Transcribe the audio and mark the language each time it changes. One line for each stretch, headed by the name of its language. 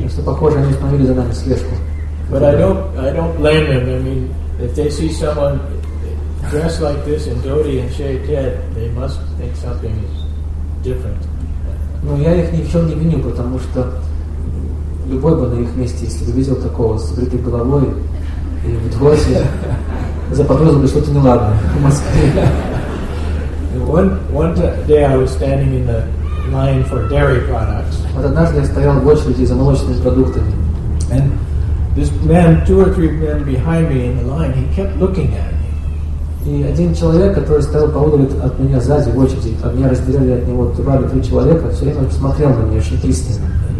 Russian: Просто похоже, они установили за нами слежку.
English: But I don't blame them. I mean, if they see someone dressed like this in dhoti and shaved head, they must think something is different.
Russian: Ну я их ни в чем не виню, потому что любой бы на их месте, если бы видел такого с бритой головой и в дхоти, заподозрил бы что-то неладное в Москве.
English: One day I was standing in the line for dairy products.
Russian: Вот однажды я стоял в очереди за молочными продуктами.
English: And this man, two or three men behind me in the line, he kept looking at.
Russian: И один человек, который стоял поудобнее от меня сзади в очереди, от меня разделяли от него турали три человека, все время смотрел на меня очень пристально.